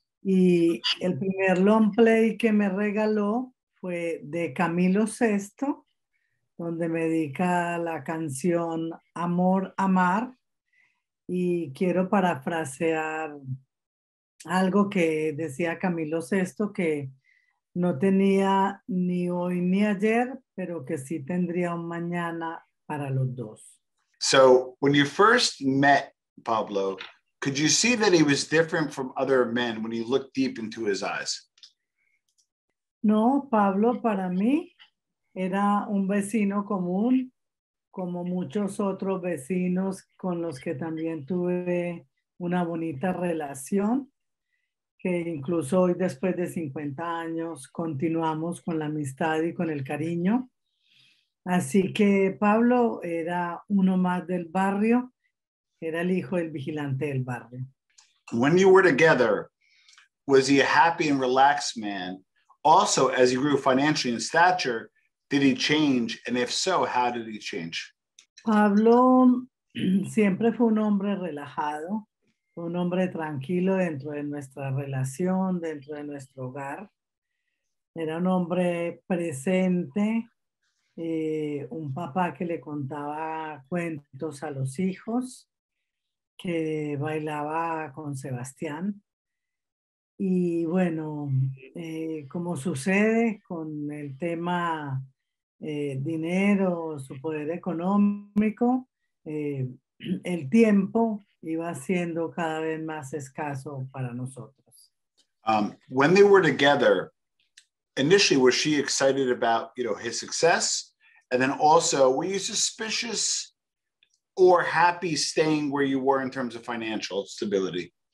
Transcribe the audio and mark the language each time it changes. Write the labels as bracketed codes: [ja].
[es] Y el primer long play que me regaló fue de Camilo Sesto, donde me dedica la canción Amor, Amar. Y quiero parafrasear algo que decía Camilo Sesto, que no tenía ni hoy ni ayer, pero que sí tendría un mañana para los dos. [en] So, when you first met Pablo, could you see that he was different from other men when you looked deep into his eyes? [es] No, Pablo, para mí, era un vecino común, como muchos otros vecinos con los que también tuve una bonita relación, que incluso hoy después de 50 años continuamos con la amistad y con el cariño. Así que Pablo era uno más del barrio, era el hijo del vigilante del barrio. [en] When you were together, was he a happy and relaxed man? Also, as he grew financially in stature, did he change? And if so, how did he change? [es] Pablo siempre fue un hombre relajado, un hombre tranquilo dentro de nuestra relación, dentro de nuestro hogar. Era un hombre presente, un papá que le contaba cuentos a los hijos, que bailaba con Sebastián. Y bueno, como sucede con el tema dinero, su poder económico, el tiempo iba siendo cada vez más escaso para nosotros. [en] When they were together, initially, was she excited about, you know, his success? And then also, were you suspicious or happy staying where you were in terms of financial stability?